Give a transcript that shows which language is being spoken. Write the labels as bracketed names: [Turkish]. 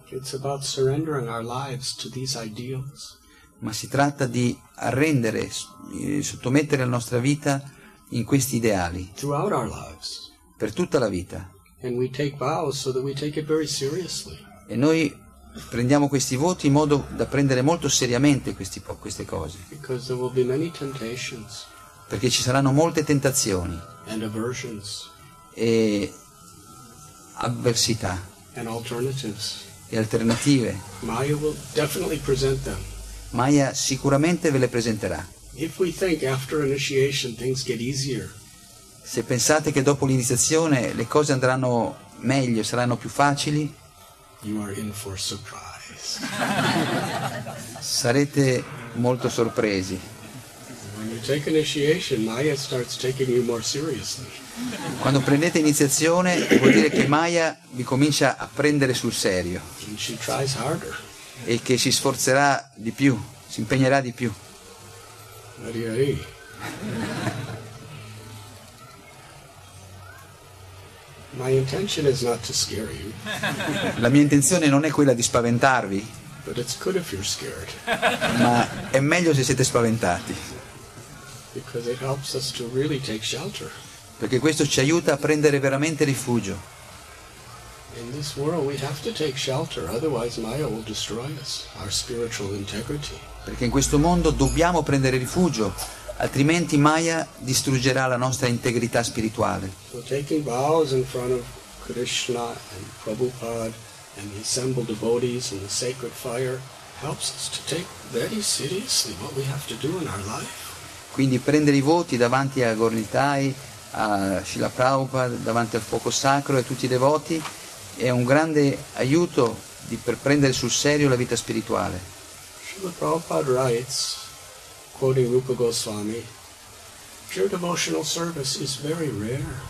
[English] It's about surrendering our lives to these ideals. [Italian] Ma si tratta di arrendere, sottomettere la nostra vita in questi ideali. [English] Throughout our lives. [Italian] Per tutta la vita. [English] And we take vows so that we take it very seriously. [Italian] E noi prendiamo questi voti in modo da prendere molto seriamente queste cose. [English] Because there will be many temptations. [Italian] Perché ci saranno molte tentazioni. [English] And aversions. [Italian] E avversità. [English] And alternatives. [Italian] E alternative. [English] Maya will definitely present them. [Italian] Maya sicuramente ve le presenterà. [English] If we think after initiation things get easier. [Italian] Se pensate che dopo l'iniziazione le cose andranno meglio, saranno più facili, [English] you are in for surprise. [Italian] Sarete molto sorpresi. [English] When you take initiation, Maya starts taking you more seriously. [Italian] Quando prendete iniziazione vuol dire che Maya vi comincia a prendere sul serio. [English] And she tries harder. [Italian] E che si sforzerà di più, si impegnerà di più. [English] Hari Hari. My intention is not to scare you. [Italian] La mia intenzione non è quella di spaventarvi. [English] But it's good if you're scared. [Italian] Ma è meglio se siete spaventati. [English] Because it helps us to really take shelter. [Italian] Perché questo ci aiuta a prendere veramente rifugio. [English] In this world we have to take shelter, otherwise Maya will destroy us, our spiritual integrity. [Italian] Perché in questo mondo dobbiamo prendere rifugio. Altrimenti Maya distruggerà la nostra integrità spirituale. [English] So taking vows in front of Krishna and Prabhupada and the assembled devotees and the sacred fire helps us to take very seriously what we have to do in our life. [Italian] Quindi prendere i voti davanti a Gornitai, a Srila Prabhupada, davanti al fuoco sacro e a tutti i devoti è un grande aiuto per prendere sul serio la vita spirituale. [English] Srila Prabhupada writes, quoting Rupa Goswami, pure devotional service is very rare.